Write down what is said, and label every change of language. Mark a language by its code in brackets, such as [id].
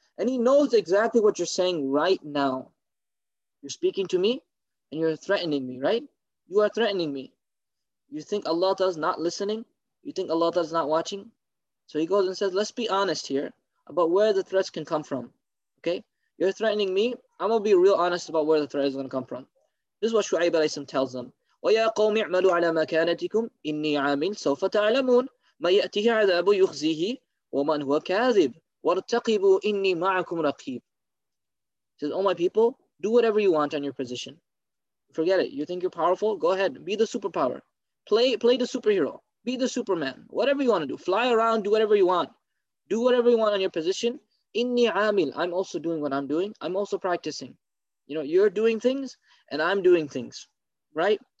[en] And He knows exactly what you're saying right now. You're speaking to me and you're threatening me, right? You are threatening me. You think Allah is not listening? You think Allah is not watching? So he goes and says, let's be honest here about where the threats can come from. Okay? You're threatening me. I'm going to be real honest about where the threat is going to come from. This is what Shu'aib alayhi salam tells them. [ar] وَيَا قَوْمِ اعْمَلُوا عَلَى مَكَانَتِكُمْ إِنِّي عَامِلٌ سَوْفَ تَعْلَمُونَ مَنْ يَأْتِهِ عَذَابُ يُخْزِيهِ وَمَنْ هُوَ كَاذِبٌ وَارْتَقِبُوا إِنِّي مَعَكُمْ رَقِيبٌ. [en] He says, oh my people, do whatever you want on your position. Forget it. You think you're powerful? Go ahead. Be the superpower. Play the superhero. Be the Superman. Whatever you want to do. Fly around. Do whatever you want. Do whatever you want on your position. [ar] Inni amil, [en] I'm also doing what I'm doing. I'm also practicing. You know, you're doing things and I'm doing things, right?